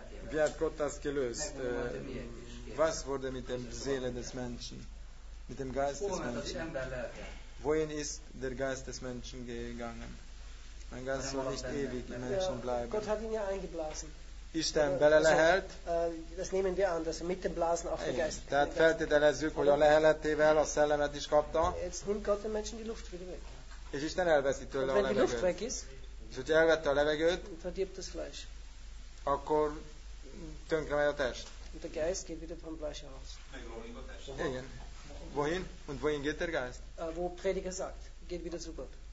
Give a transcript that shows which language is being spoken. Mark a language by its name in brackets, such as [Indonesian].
[German] Wie hat Gott das gelöst? Was wurde mit dem Seele des Menschen? Mit dem Geist des Menschen? Wohin ist der Geist des Menschen gegangen? Mein Geist soll nicht ewig im Menschen bleiben. Gott hat ihn ja eingeblasen. Ist er ein Belelehelt? Das nehmen wir an, dass er mit dem Blasen auch den Geist. [Hungarian] Tehát feltételezzük, hogy a leheletével a szellemet is kapta. [German] Jetzt nimmt Gott den Menschen die Luft wieder weg. [Hungarian] És Isten elveszi tőle a levegőt. [German] Die Luft weg ist. [Hungarian] És hogyha elvette a levegőt, [German] verdirbt das Fleisch. [Hungarian] Akkor tönkre megy a test. [German] Und der Geist geht wieder vom Fleisch aus. [Hungarian] Igen. [German] Wohin? Und wohin geht der Geist? Wo Prediger sagt, geht wieder zu Gott.